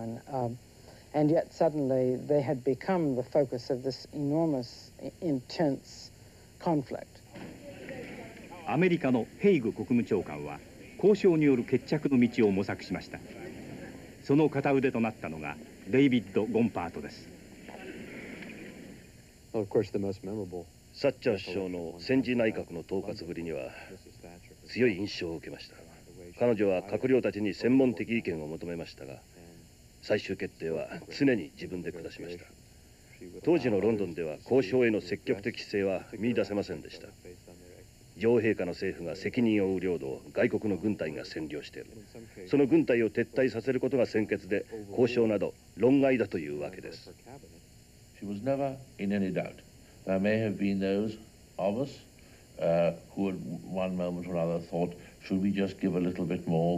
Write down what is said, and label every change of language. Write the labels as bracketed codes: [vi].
[en] And yet suddenly they had become the focus of this enormous, intense conflict. [ja] アメリカのヘイグ国務長官は交渉による決着の道を模索しました。その片腕となったのがデイビッド・ゴンパートです。 [en] Of course, the most memorable. [ja] サッチャー首相の戦時内閣の統括ぶりには強い印象を受けました。彼女は閣僚たちに専門的意見を求めましたが、最終決定は常に自分で下しました。当時のロンドンでは交渉への積極的姿勢は見出せませんでした。女王陛下の政府が責任を負う領土を外国の軍隊が占領している、その軍隊を撤退させることが先決で交渉など論外だというわけです。 [en] She was never in any doubt. There may have been those of us, who at one moment or other thought, should we just give a little bit more?